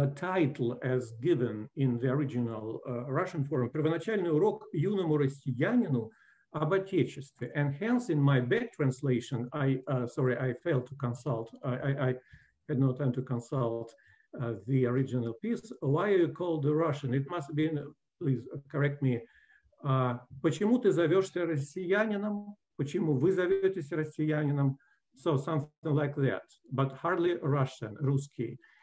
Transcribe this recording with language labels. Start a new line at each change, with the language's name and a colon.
English: title as given in the original Russian form,
Russian: «Первоначальный урок юному россиянину»,
English: and hence in my back translation, I had no time to consult the original piece. Why are you called the Russian? It must be, please correct me.
Russian: Почему ты зовешься россиянином? Почему вы зоветесь россиянином?
English: So something like that, but hardly Russian, Ruski.